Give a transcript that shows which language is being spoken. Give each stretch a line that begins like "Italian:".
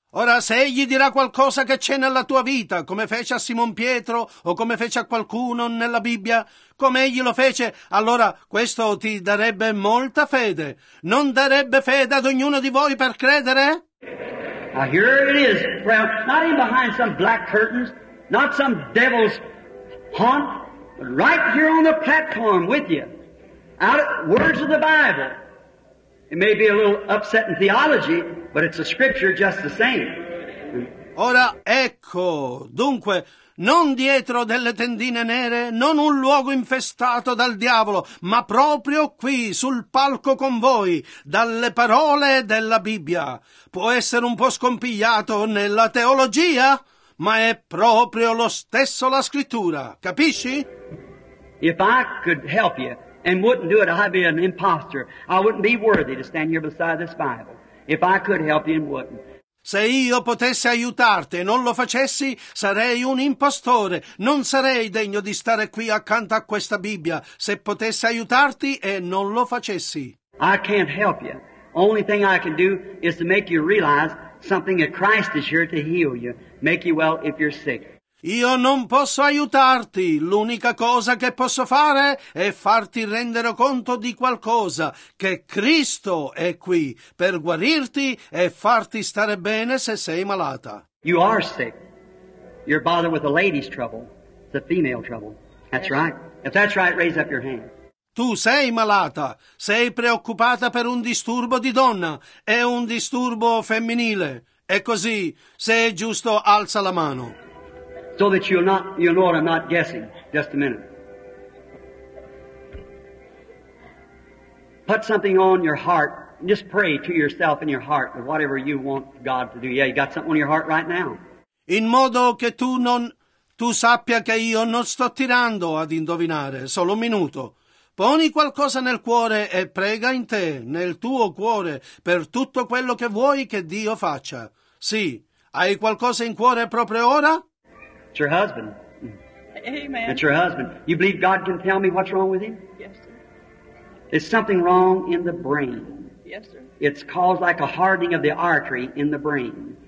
Italian: Ora, se egli dirà qualcosa che c'è nella tua vita, come fece a Simon Pietro o come fece a qualcuno nella Bibbia, come egli lo fece, allora questo ti darebbe molta fede. Non darebbe fede ad ognuno di voi per credere?
English: Now here it is, friend. Not even behind some black curtains, not some devil's haunt, but right here on the platform with you. Out of words of the Bible. It may be a little upset in theology, but it's a scripture just the same.
Italian: Ora, ecco, dunque, non dietro delle tendine nere, non un luogo infestato dal diavolo, ma proprio qui, sul palco con voi, dalle parole della Bibbia. Può essere un po' scompigliato nella teologia, ma è proprio lo stesso la scrittura, capisci?
English: If I could help you, and wouldn't do it, I'd be an impostor. I wouldn't be worthy to stand here beside this Bible if I could help you and wouldn't.
Italian: Se io potessi aiutarti e non lo facessi, sarei un impostore. Non sarei degno di stare qui accanto a questa Bibbia se potessi aiutarti e non lo facessi.
English: I can't help you. Only thing I can do is to make you realize something that Christ is here to heal you, make you well if you're sick.
Italian: Io non posso aiutarti, l'unica cosa che posso fare è farti rendere conto di qualcosa, che Cristo è qui per guarirti e farti stare bene se sei malata.
English: You are sick. You're bothered with a lady's trouble. It's a female trouble. That's right. If that's right, raise up your hand.
Italian: Tu sei malata, sei preoccupata per un disturbo di donna, è un disturbo femminile. È così, se è giusto, alza la mano.
English: So that you'll know what I'm not guessing. Just a minute. Put something on your heart. Just pray to yourself in your heart for whatever you want God to do. Yeah, you got something on your heart right now.
Italian: In modo che tu sappia che io non sto tirando ad indovinare. Solo un minuto. Poni qualcosa nel cuore e prega in te, nel tuo cuore, per tutto quello che vuoi che Dio faccia. Sì, hai qualcosa in cuore proprio ora?
English: It's your husband. Amen. It's your husband. You believe God can tell me what's wrong with him? Yes, sir. It's something wrong in the brain. Yes, sir. It's caused like a hardening of the artery in the brain.